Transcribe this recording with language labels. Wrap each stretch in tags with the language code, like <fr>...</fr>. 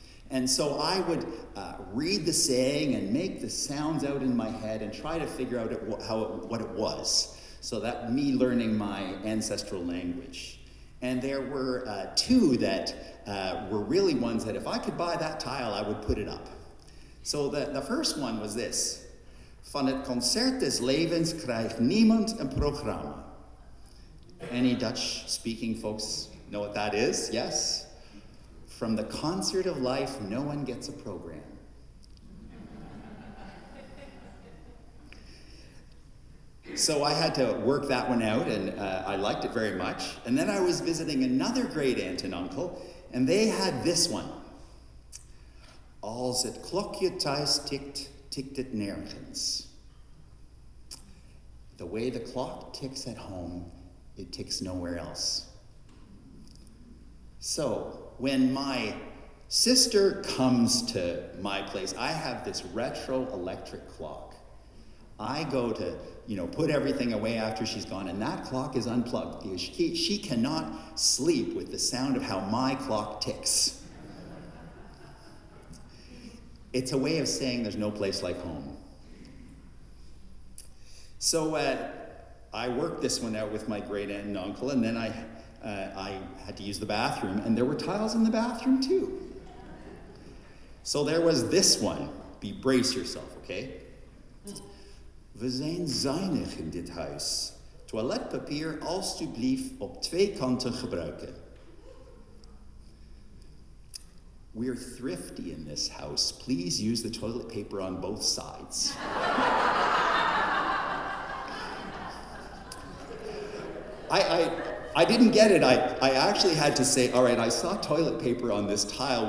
<en>And so I would read the saying and make the sounds out in my head and try to figure out what it was. So that me learning my ancestral language. And there were two that were really ones that if I could buy that tile, I would put it up. So the first one was this.</en> <nl>Van het concert des levens krijgt niemand een programma.</nl> <en>Any Dutch-speaking folks know what that is? Yes? From the concert of life, no one gets a program. So I had to work that one out, and I liked it very much. And then I was visiting another great aunt and uncle, and they had this one.</en> <nl>Als het klokje thuis tikt, tikt het nergens.</nl> <en>The way the clock ticks at home, it ticks nowhere else. So when my sister comes to my place, I have this retro electric clock. I go to, you know, put everything away after she's gone, and that clock is unplugged. She cannot sleep with the sound of how my clock ticks. It's a way of saying there's no place like home. So I worked this one out with my great aunt and uncle, and then I had to use the bathroom, and there were tiles in the bathroom too. So there was this one. Be brace yourself, okay?</en> <nl>We zijn zuinig in dit huis. Toiletpapier alstublieft op twee kanten gebruiken.</nl> <en>We're thrifty in this house. Please use the toilet paper on both sides. I didn't get it. I actually had to say, all right, I saw toilet paper on this tile.</en>